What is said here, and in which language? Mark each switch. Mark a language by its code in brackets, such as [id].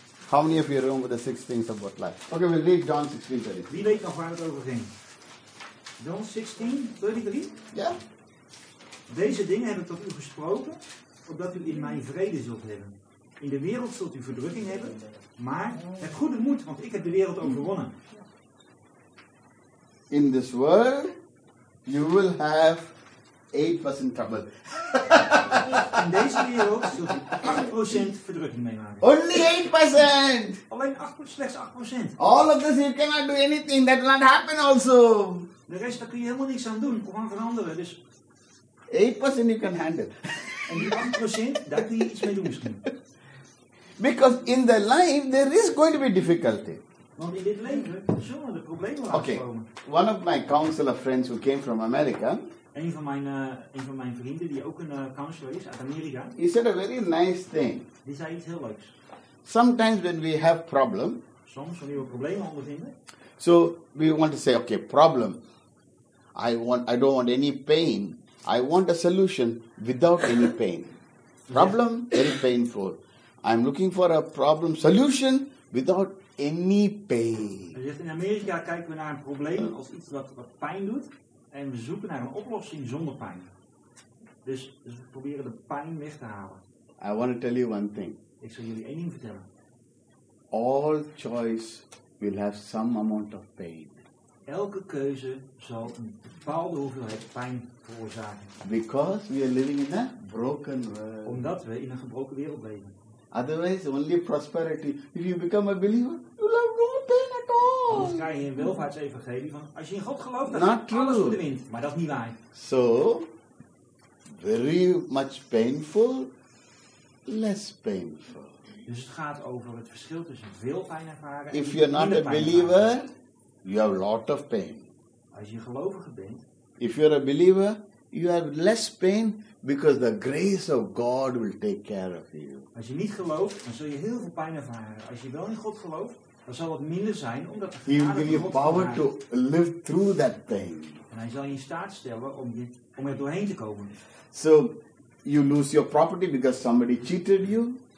[en] How many of you remember the six things about life? Okay, we'll read John 16:33. [nl] Wie weet nog waar het over ging? [en] John 16:33? Yeah. [nl] Deze dingen hebben tot u gesproken, opdat u in mij vrede zult hebben. In de wereld zult u verdrukking hebben, maar heb goede moed, want ik heb de wereld overwonnen. [en] In this world, you will have 8% trouble. [nl] In deze wereld zult u 8% verdrukking meemaken. [en] Only 8%! [nl] Alleen 8, slechts 8%. [en] All of this, you cannot do anything, that will not happen also. [nl] De rest, daar kun je helemaal niks aan doen, of aan veranderen, dus... [en] 8% you can handle. [nl] En die 8%, daar kun je iets mee doen misschien. [en] Because in the life, there is going to be difficulty. [nl] Want in dit leven, zullen er problemen afkomen. [en] Okay, one of my counselor friends who came from America. [nl] Een van mijn vrienden, die ook een counselor is uit Amerika. [en] He said a very nice thing. [nl] Die zei iets heel leuks. [en] Sometimes when we have problem. [nl] Soms wanneer we problemen ondervinden. [en] So, we want to say, okay, problem. I don't want any pain. I want a solution without any pain. Problem, very painful. I'm looking for a problem solution without any pain. [nl] Hij zegt, in Amerika kijken we naar een probleem als iets wat pijn doet. En we zoeken naar een oplossing zonder pijn. Dus we proberen de pijn weg te halen. [en] I want to tell you one thing. [nl] Ik zal jullie één ding vertellen. [en] All choice will have some amount of pain. [nl] Elke keuze zal een bepaalde hoeveelheid pijn veroorzaken. [en] Because we are living in a broken world. [nl] Omdat we in een gebroken wereld leven. [en] Otherwise, only prosperity. If you become a believer, you will have no pain at all. [nl] Anders krijg je een welvaartsevangelie van, als je in God gelooft, dan is alles voor de wind. Maar dat is niet waar. [en] So, very much painful, less painful. [nl] Dus het gaat over het verschil tussen veel pijn ervaren. [en] If you're not a believer, you have a lot of pain. [nl] Als je gelovige bent. [en] If you're a believer, you have less pain because the grace of God will take care of you. [nl] Als je niet gelooft, dan zul je heel veel pijn ervaren. Als je wel in God gelooft, dan zal het minder zijn omdat de genade van God. [en] He will give you power to live through that pain. [nl] En hij zal je in staat stellen om er doorheen te komen. [en] So, you lose your property because somebody cheated you.